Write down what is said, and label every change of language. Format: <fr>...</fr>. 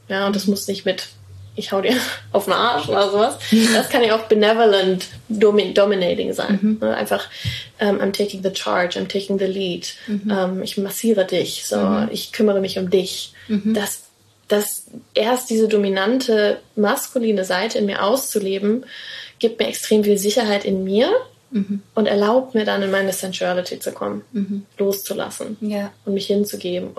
<de>Ja, und das muss nicht mit, ich hau dir auf den Arsch oder sowas. Das kann ja auch</de> <en>benevolent dominating</en> <de>sein. Mhm.</de> <en>Einfach, I'm taking the charge, I'm taking the lead. Mhm.</en> <de>Ich massiere dich, so, ich kümmere mich um dich. Mhm. Das erst diese dominante, maskuline Seite in mir auszuleben, gibt mir extrem viel Sicherheit in mir. Mhm. Und erlaubt mir dann, in meine Sensuality zu kommen, loszulassen und mich hinzugeben.</de>